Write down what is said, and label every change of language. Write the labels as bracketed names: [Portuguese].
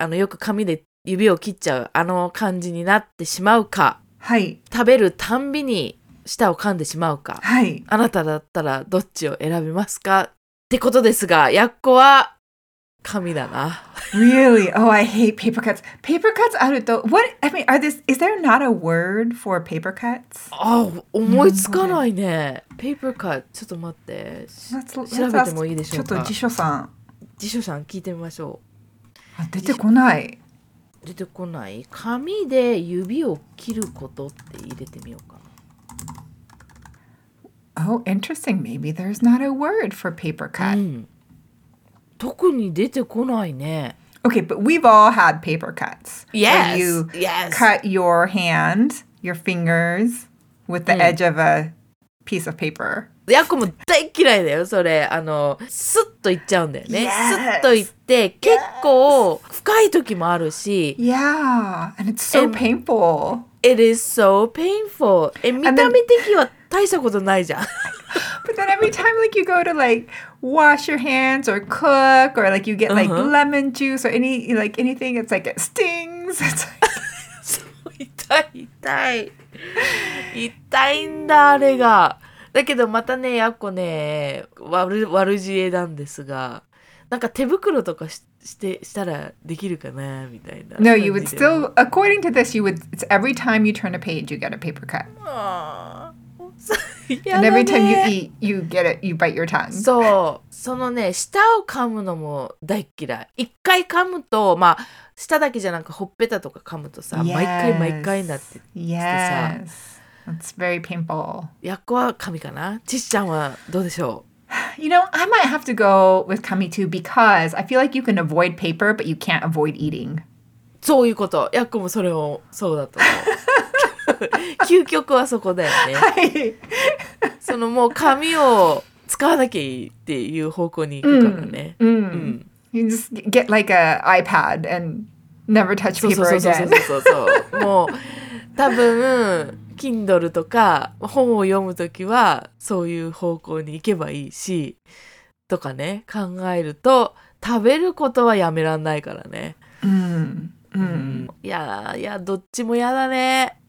[Japanese] よく紙で指を切っちゃう。あの感じになってしまうか。はい。食べるたんびに舌を噛んでしまうか。はい。あなただったらどっちを選びますかってことですが、やっこは紙だな。 [English] Really? Oh, I hate paper cuts. Paper cuts [Japanese] あると、 [English] what? I mean, are this, is there not a word for paper cuts? [Japanese] Oh, 思いつかないね。Paper cut、ちょっと待って。調べてもいいでしょうか。ちょっと辞書さん。辞書さん聞いてみましょう。あ、出てこない。出てこない。紙で指を切ることって入れてみようかな。 [English] Oh, interesting. Maybe there's not a word for paper cut.、うん、 [Japanese] 特に出てこないね。 [English] Okay, but we've all had paper cuts. Yes. Where you yes. cut your hand, your fingers, with the、うん、edge of a piece of paper. [Japanese] ヤコも大嫌いだよ、それ。あの、スッといっちゃうんだよね。 [English] Yes. [Japanese] スッといって、結構深い時もあるし。 [English] Yeah, and it's so painful. It is so painful. [Japanese] え、見た目的は大したことないじゃん。 [English] But then every time like you go to like wash your hands or cook or like you get like、uh-huh. lemon juice or any like anything, it's like it stings. It's like... [Japanese] 痛い痛い痛いんだあれが。だけどまたね、やっこね、悪知恵なんですが、なんか手袋とかしたらできるかなみたいな。 [English] No, you would still, according to this, you would, it's every time you turn a page, you get a paper cut. Aww. And every time you eat, you get it, you bite your tongue. [Japanese] そう、そのね、舌を噛むのも大嫌い。一回噛むと、まあ、舌だけじゃなくほっぺたとか噛むとさ、 [English] yes. [Japanese] 毎回毎回なって [English] さ。Yes, it's very painful. [Japanese] やっこは噛みかな？ちっちゃんはどうでしょう？ [English] You know, I might have to go with 噛み too because I feel like you can avoid paper, but you can't avoid eating. [Japanese] そういうこと。やっこもそれをそうだと思う。究極はそこだよね。はい。そのもう紙を使わなきゃいいっていう方向に行くからね。うん。 [English] うん、you just get like a iPad and never touch paper again. [Japanese] そうそうそうそう。もう多分 Kindle とか本を読むときはそういう方向に行けばいいしとかね、考えると食べることはやめらんないからね。うん。うん。いやいや、どっちもやだね。